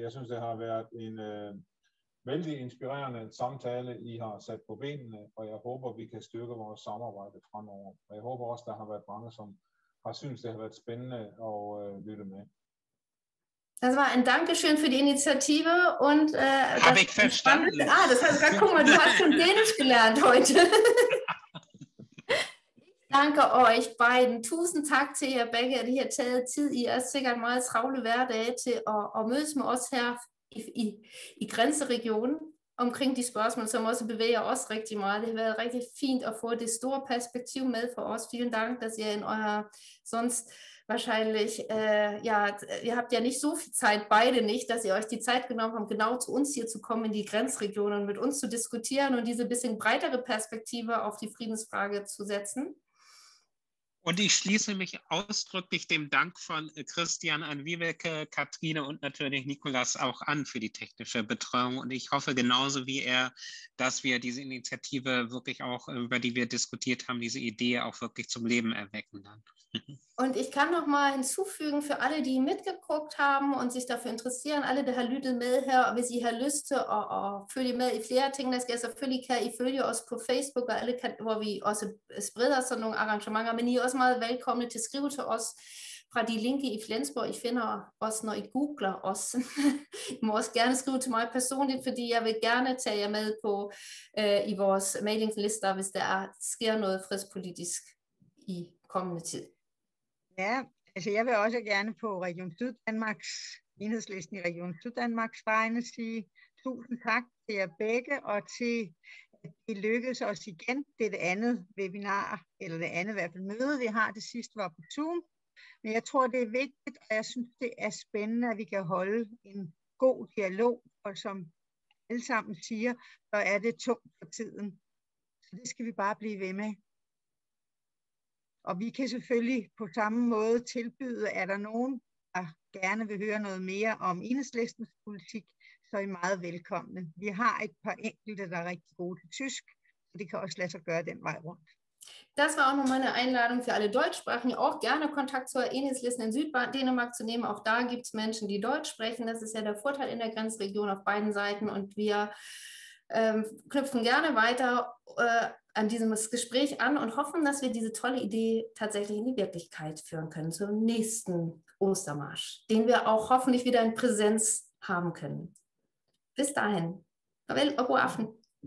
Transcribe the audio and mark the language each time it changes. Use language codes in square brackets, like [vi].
[da] Jeg synes, det har været en vældig inspirerende samtale, I har sat på benene, og jeg håber, vi kan styrke vores samarbejde fremover. Og jeg håber også, der har været mange, som har synes, det har været spændende at lytte med. [de] Das war ein Dankeschön für die Initiative und habe ich verstanden. Das heißt, guck mal, du hast schon Dänisch gelernt heute. Danke euch beiden. [da] Tusind tak til jer begge, at I har taget tid. I er sikkert meget travle hverdage til at mødes med os her i grænseregionen omkring de spørgsmål, som også bevæger os rigtig meget. Det har været rigtig fint at få det store perspektiv med for os. [de] Vielen Dank, dass ihr in eurer sonst wahrscheinlich, ihr habt ja nicht so viel Zeit, beide nicht, dass ihr euch die Zeit genommen habt, genau zu uns hier zu kommen, in die Grenzregion und mit uns zu diskutieren und diese bisschen breitere Perspektive auf die Friedensfrage zu setzen. Und ich schließe mich ausdrücklich dem Dank von Christian an Wiebeke, Katrine und natürlich Nikolas auch an für die technische Betreuung. Und ich hoffe genauso wie er, dass wir diese Initiative wirklich auch, über die wir diskutiert haben, diese Idee auch wirklich zum Leben erwecken dann. Und ich kann noch mal hinzufügen, für alle, die mitgeguckt haben und sich dafür interessieren, alle, der Herr Lüdel mit her, wie sie Herr Lüste, für die Mail, ich lehre Ting, das geht so für die Kerl, ich fühle die aus auf Facebook, alle kennen, wo wir aus der Sprecher-Sendung Arrangement haben, wenn ihr erstmal willkommen, die Skribe zu uns, fra die Linke i Flensborg, ich finde os, [da] når I googler os. I må også gerne skrive til mig personligt, fordi jeg vil gerne tage jer med på i vores mailinglister, hvis der sker noget fredspolitisk i kommende tid. Ja, altså jeg vil også gerne på Region Syddanmarks, enhedslisten i Region Syddanmarks vegne sige tusind tak til jer begge, og til at det lykkedes os igen. Det er det andet webinar, eller det andet i hvert fald møde, vi har. Det sidste var på Zoom. Men jeg tror, det er vigtigt, og jeg synes, det er spændende, at vi kan holde en god dialog, og som alle sammen siger, så er det tungt for tiden. Så det skal vi bare blive ved med. Og vi kan selvfølgelig på samme måde tilbyde, er der nogen, der gerne vil høre noget mere om Enhedslistens politik, så er I meget velkomne. Vi har et par enkelte, der er rigtig gode til tysk, så det kan også lade sig gøre den vej rundt. [de] Das war auch noch meine Einladung für alle Deutschsprachigen, auch gerne Kontakt zur Enhedslisten in Süddänemark zu nehmen. Auch da gibt es Menschen, die Deutsch sprechen. Das ist ja der Vorteil in der Grenzregion auf beiden Seiten. Und wir knüpfen gerne weiter an diesem Gespräch an und hoffen, dass wir diese tolle Idee tatsächlich in die Wirklichkeit führen können zum nächsten Ostermarsch, den wir auch hoffentlich wieder in Präsenz haben können. Bis dahin. Auf Wiedersehen.